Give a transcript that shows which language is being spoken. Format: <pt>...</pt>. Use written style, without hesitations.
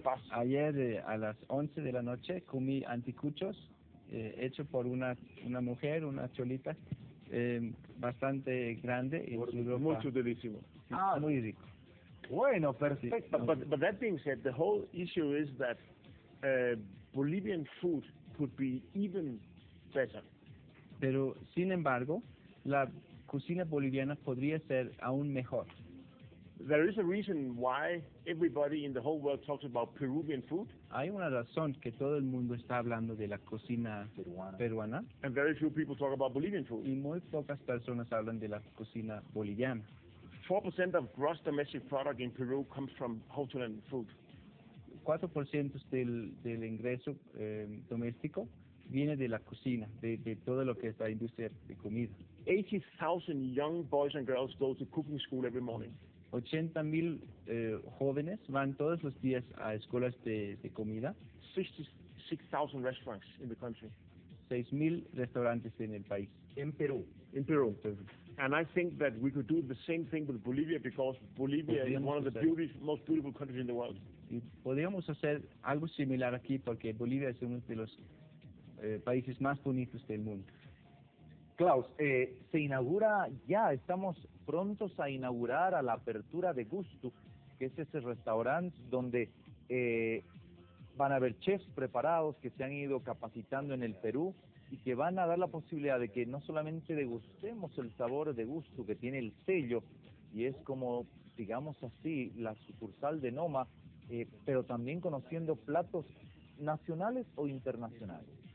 <es>Ayer a las 11 de la noche comí anticuchos hecho por una mujer, una cholita, bastante grande y mucho delicioso. Ah, muy rico. Bueno, perfecto. Sí.</es> <en>But that being said, the whole issue is that Bolivian food could be even better.</en> <es>Pero sin embargo, la cocina boliviana podría ser aún mejor.</es> <en>There is a reason why everybody in the whole world talks about Peruvian food.</en> <es>Hay una razón que todo el mundo está hablando de la cocina peruana.</es> <en>And very few people talk about Bolivian food.</en> <es>Y muy pocas personas hablan de la cocina boliviana.</es> <en>4% of gross domestic product in Peru comes from hotel and food.</en> <es>4% del ingreso doméstico viene de la cocina, de todo lo que es la industria de comida.</es> <en>80,000 young boys and girls go to cooking school every morning.</en> <es>80,000 jóvenes van todos los días a escuelas de comida.</es> <en>66,000 restaurants in the country.</en> <es>6,000 restaurantes en el país. En Perú.</es> <en>And I think that we could do the same thing with Bolivia because Bolivia is one of the most beautiful countries in the world.</en> <es>Y podríamos hacer algo similar aquí porque Bolivia es uno de los países más bonitos del mundo. Klaus, se inaugura ya, estamos prontos a inaugurar a la apertura de Gusto, que es ese restaurante donde van a haber chefs preparados que se han ido capacitando en el Perú y que van a dar la posibilidad de que no solamente degustemos el sabor de Gusto que tiene el sello y es como, digamos así, la sucursal de Noma, pero también conociendo platos nacionales o internacionales.</es>